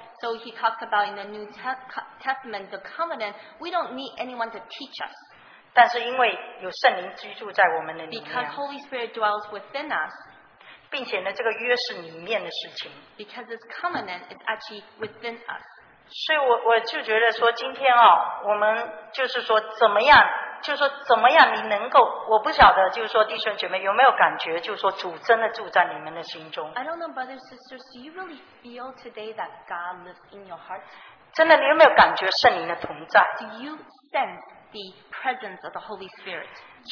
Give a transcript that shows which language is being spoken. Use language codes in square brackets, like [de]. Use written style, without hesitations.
[en] So he talks about in the New Testament, the covenant, we don't need anyone to teach us. [zh] 但是因为有圣灵居住在我们的里面。 [en] Because Holy Spirit dwells within us. [zh] 并且呢，这个约是里面的事情。 [en] Because this covenant is actually within us. [zh] 所以我就觉得说今天啊，我们就是说怎么样。就是说怎么样你能够，我不晓得，就是说弟兄姐妹有没有感觉，就是说主真的住在你们的心中。 [en] I don't know, brothers and sisters, do you really feel today that God lives in your heart? [zh] 真的，你有没有感觉圣灵的同在？ [en] Do you sense the presence of the Holy Spirit?